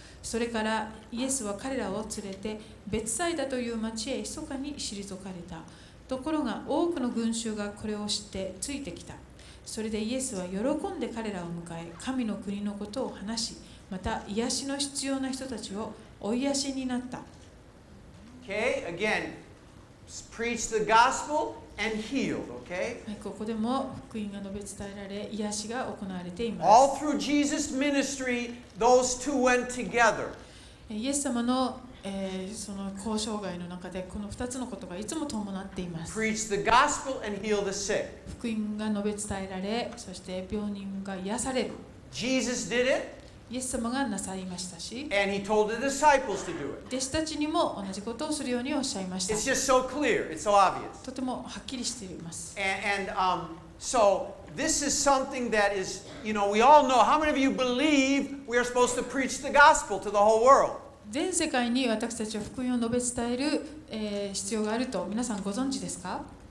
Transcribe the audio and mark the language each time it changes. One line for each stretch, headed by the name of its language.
Japanese: それからイエスは彼らを連れて、ベツサイダという町へ密かに退かれた。ところが多くの群衆がこれを知ってついてきた。それでイエスは喜んで彼らを迎え、神の国のことを話し、また癒しの必要な人たちをお癒しになった。
English: Okay, again, preach the gospel and healed, okay?
Japanese: ここでも福音が述べ伝えられ、癒しが行われています。
English: All through Jesus' ministry, those two went together.
Japanese: イエス様の、その交渉外の中で、この2つのことがいつも伴っています。
English: Preach the gospel and heal the sick.
Japanese: 福音が述べ伝えられ、そして病人が癒される。
English: Jesus did it.
Japanese: イエス様がなさいましたし、
English: and he told the disciples to do it.
Japanese: 弟子たちにも同じことをするようにおっしゃいました。
English: It's just so clear. It's so obvious.
Japanese: とてもはっきりしています。
English: And so this is something that is, you know, we all know. How many of you believe we are supposed to preach the gospel to the whole world?
Japanese: 全世界に私たちは福音を述べ伝える、必要があると皆さんご存知ですか？